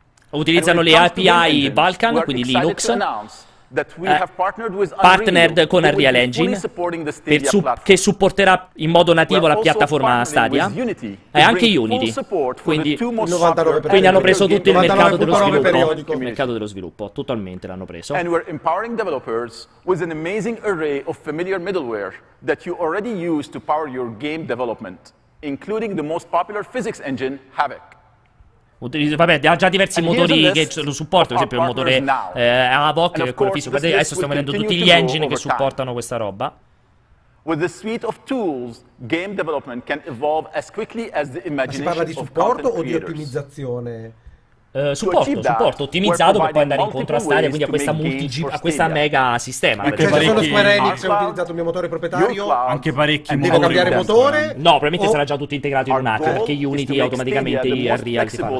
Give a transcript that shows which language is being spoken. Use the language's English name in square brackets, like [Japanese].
[Italian] Utilizzano le API Vulkan, quindi Linux, partnered con Unreal Engine, che supporterà in modo nativo la piattaforma Stadia, e anche Unity, quindi hanno preso tutto il mercato dello sviluppo, totalmente l'hanno preso. [English] And we're empowering developers with an amazing array of familiar middleware that you already use to power your game development, including the most popular physics engine, Havok. [Italian] Ha già diversi motori che lo supportano, per esempio il motore Havok, quello fisico. Guardate, adesso stiamo vedendo tutti gli engine che supportano questa roba. [English] With the suite of tools, game development can evolve as quickly as the imagination. [Italian] Ma si parla di supporto o di ottimizzazione? Supporto ottimizzato per poi andare incontro a Stadia, quindi a questa mega sistema. Anche parecchi, solo Square Enix ha utilizzato il mio motore proprietario, anche parecchi devo motori. Cambiare motore? No, probabilmente sarà già tutto integrato in un attimo, perché Unity automaticamente e Unreal si fanno.